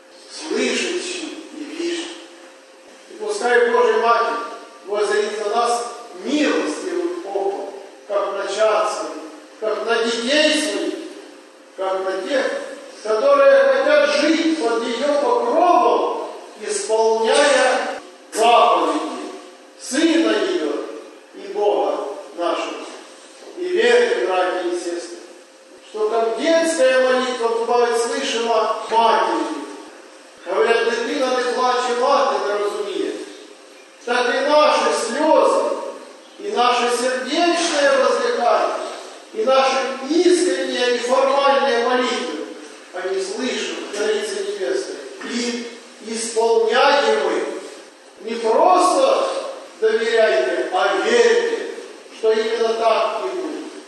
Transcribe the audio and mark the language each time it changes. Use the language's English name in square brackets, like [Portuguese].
[Russian] Слышит щи и вижу. И пускай Божья Матерь воззрит на нас милостивым оком, как на чад своих, как на детей своих, как на тех, которые хотят жить под ее покровом, исполняя заповеди Сына ее и Бога нашего. И верьте, братья и сестры, что как детская молитва бывает слышима матерью. [Ukrainian] Говорят, дитина не плаче, мати не розуміє. [Russian] Так и наши слезы, и наше сердечное возлекание, и наши искренние и формальные молитвы, они слышат Царица Небесная. И исполняемы. Не просто доверяйте, а верьте, что именно так и будет.